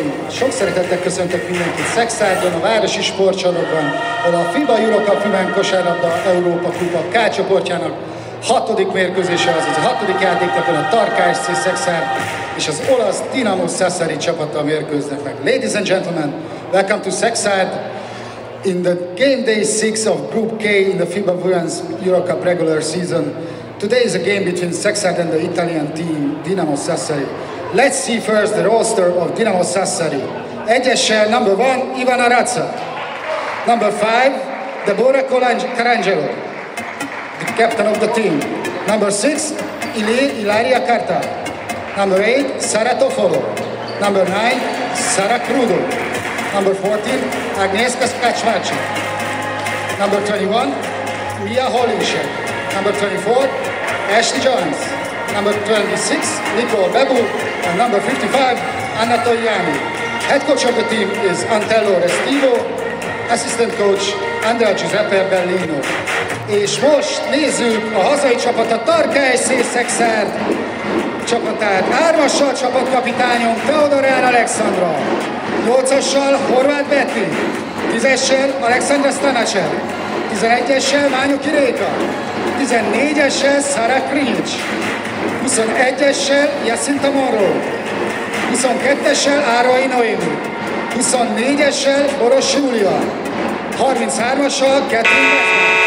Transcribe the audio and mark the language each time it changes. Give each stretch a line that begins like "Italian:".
Hungarian: Sok szeretettel köszöntök mindenkit Szekszárdon, a Városi Sportcsarnokban, ahol a FIBA Eurocup Women kosárlabda Európa Kupa K csoportjának 6. mérkőzése, azaz a 6. játéknapon a Tarkás C Szekszár és az olasz Dinamo Sassari csapattal mérkőznek meg.
English: Ladies and gentlemen, welcome to Szekszárd in the game day 6 of Group K in the FIBA Women's Eurocup regular season. Today is a game between Szekszárd and the Italian team Dinamo Sassari. Let's see first the roster of Dinamo Sassari.
Hungarian: Egyessel
English: number 1, Ivana Razza. Number 5, Deborah Colangelo, the captain of the team. Number 6, Ilaria Carta. Number 8, Sara Toffolo. Number 9, Sara Crudo. Number 14, Agnieszka Skaczmarczy. Number 21, Mia Holinshek. Number 24, Ashley Jones. Number 26, Nicole Bebu. And number 55, Anna Toyami. Head coach of the team is Antello Restivo, assistant coach Andrea Giuseppe Bellino.
Hungarian: És most nézzük a hazai csapat, a Tarkás C Szekszárd csapatát. 3-assal csapatkapitányom Teodorán Alexandra, 8-assal Horváth Betty, 10-essel Alexandra Stanacher, 11-essel Mányu Kiréka, 14-essel Sara Krincs, 21-essel Jacinta Monroe, 22-essel Árvai Noémi, 24-essel Boros Júlia, 33-assal Ketrin Vesnyi,